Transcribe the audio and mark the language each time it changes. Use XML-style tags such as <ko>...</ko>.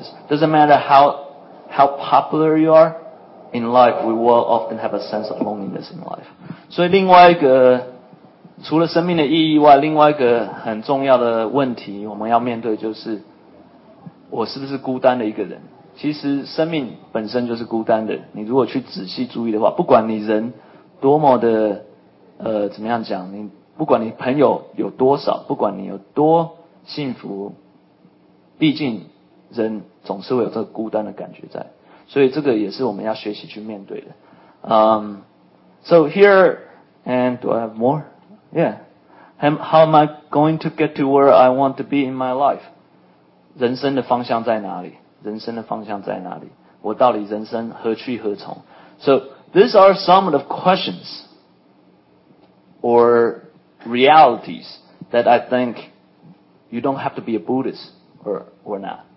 <en>Doesn't matter how popular you are,In life, we will often have a sense of loneliness in life.</en> <zh>所以另外一个，除了生命的意义外，另外一个很重要的问题我们要面对就是，我是不是孤单的一个人？其实生命本身就是孤单的。你如果去仔细注意的话，不管你人多么的怎么样讲，你不管你朋友有多少，不管你有多幸福，毕竟人总是会有这个孤单的感觉在，所以这个也是我们要学习去面对的。</zh> <en>So here, and do I have more? Yeah. How am I going to get to where I want to be in my life?</en> <zh>人生的方向在哪里？人生的方向在哪里？我到底人生何去何从？</zh> <en>So these are some of the questions or realities that I think you don't have to be a Buddhist or not.</en>